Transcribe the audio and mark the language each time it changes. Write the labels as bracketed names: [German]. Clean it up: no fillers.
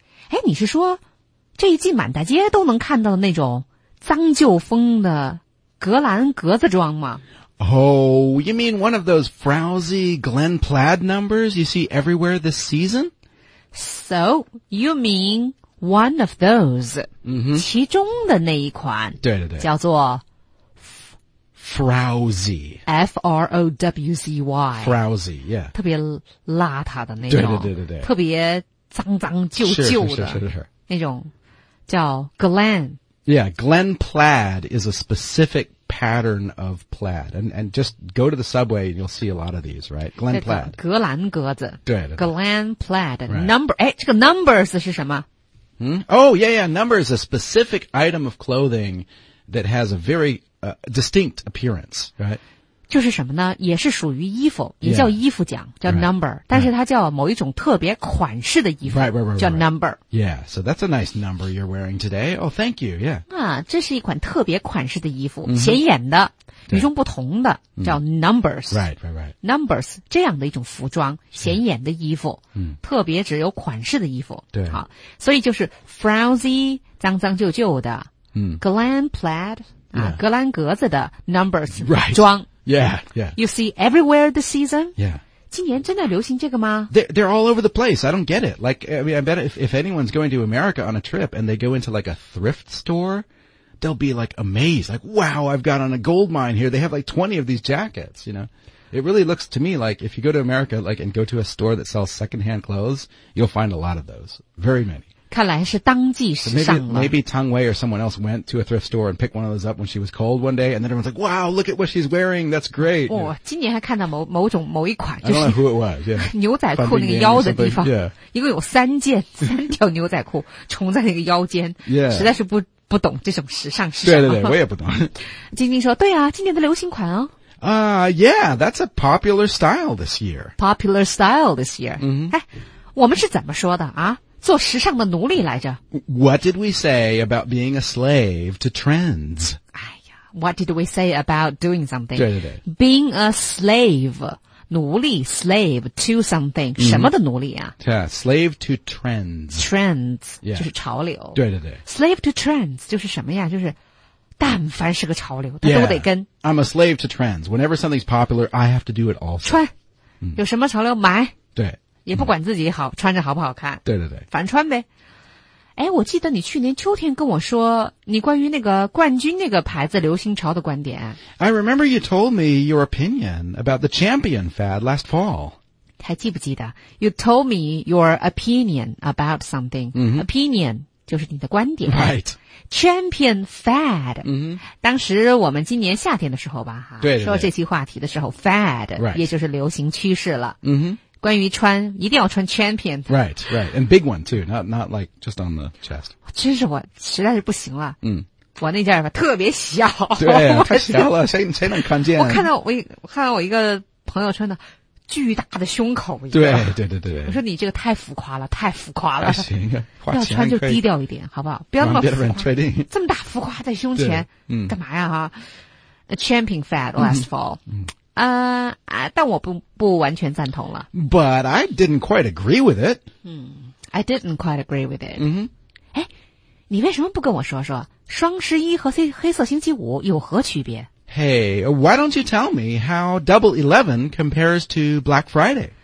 [Chinese] 哎，你是说这一季满大街都能看到的那种脏旧风的格兰格子装吗 [English] ？Oh, you mean one of those frowsy Glen plaid numbers you see everywhere this season? So you mean one of those?、 Mm-hmm. [Chinese] 其中的那一款，对对对，叫做 [English] frowsy, F R O W Z Y, frowsy, yeah, [Chinese] 特别邋遢的那种，对对对对对，特别。脏脏旧旧的是是是是是那种叫 Glen. [English] Yeah, Glen plaid is a specific pattern of plaid. And just go to the subway and you'll see a lot of these, right? Glen plaid. [Chinese] 格兰格子。对对对。 [English] Glen plaid. Number,、right. [Chinese] 这个 numbers 是什么、 [English] Oh, yeah, yeah. Number is a specific item of clothing that has a very、distinct appearance, right? [Chinese] 就是什么呢？也是属于衣服，也叫衣服奖， yeah, 叫 number， right, 但是它叫某一种特别款式的衣服， right, right, right, 叫 number。 Right, right. [English] Yeah, so that's a nice number you're wearing today. Oh, thank you. Yeah. [Chinese] 啊，这是一款特别款式的衣服，显眼的，与众不同的，叫 numbers。 Right, right, right. Numbers 这样的一种服装，显眼的衣服，特别只有款式的衣服。对，好，所以就是 frowsy 脏脏旧旧的，glam plaid 啊， yeah. 格兰格子的 numbers、 right. 装。 Yeah, yeah. [English] You see everywhere this season? Yeah. [Chinese] 今年真的流行这个吗? [English] They're all over the place. I don't get it. Like, I mean, I bet if anyone's going to America on a trip and they go into like a thrift store, they'll be like amazed. Like, wow, I've got on a gold mine here. They have like 20 of these jackets, you know. It really looks to me like if you go to America, like, and go to a store that sells secondhand clothes, you'll find a lot of those. Very many. [Chinese] 看来是当季时尚了。 [English] Maybe Tang Wei or someone else went to a thrift store and picked one of those up when she was cold one day, and then everyone's like, wow, look at what she's wearing, that's great. [Chinese] 哇、哦、今年还看到某一款、就是、 [English] I don't know who it was, yeah. [Chinese] 牛仔裤那个腰的地方、 yeah. 一共有三条牛仔裤冲在那个腰间、 yeah. 实在是不懂这种时尚是什么。对对对我也不懂。晶晶说对啊今年的流行款哦。 [English] Yeah, that's a popular style this year. Popular style this year.、 Mm-hmm. [Chinese] 哎我们是怎么说的啊做时尚的奴隶来着。 [English] What did we say about being a slave to trends? 哎呀 ,what did we say about doing something? [Chinese] 对对对。 [English] Being a slave, 奴隶 ,slave to something,、 [Chinese] 什么的奴隶啊 [English] yeah, ,slave to trends. Trends,、 yeah. [Chinese] 就是潮流。对对对。 [English] Slave to trends, [Chinese] 就是什么呀就是但凡是个潮流他都得跟。 [English] Yeah, I'm a slave to trends. Whenever something's popular, I have to do it also. [Chinese] 穿、有什么潮流买。对。也不管自己好、穿着好不好看。对对对。反正穿呗。诶我记得你去年秋天跟我说你关于那个冠军那个牌子流行潮的观点。 [English] I remember you told me your opinion about the champion fad last fall. [Chinese] 还记不记得 [English] ?You told me your opinion about something.、 Mm-hmm. [Chinese] Opinion, 就是你的观点。 Right. [English] Champion fad.、 Mm-hmm. [Chinese] 当时我们今年夏天的时候吧。对, 对, 对。说这期话题的时候 ,fad,、 right. 也就是流行趋势了。嗯、mm-hmm. 关于穿一定要穿 champion 的 [English] right right and big one too not like just on the chest [Chinese] 真是我实在是不行了我那件吧特别小对、啊、太小了谁能看见我看到一个朋友穿的巨大的胸口一个。对对对对。我说你这个太浮夸了，太浮夸了。啊、行，花钱要穿就低调一点，好不好？不要那么浮夸。让别人 trading 这么大浮夸在胸前，嗯，干嘛呀？哈 ， [English] A champion fat last fall。嗯。 [Chinese] 但我不完全赞同了。 [English] But I didn't quite agree with it. I didn't quite agree with it. 嗯、mm-hmm. [Chinese] 哎，你为什么不跟我说说双十一和黑色星期五有何区别？ [English] Hey, why don't you tell me how Double 11 compares to Black Friday?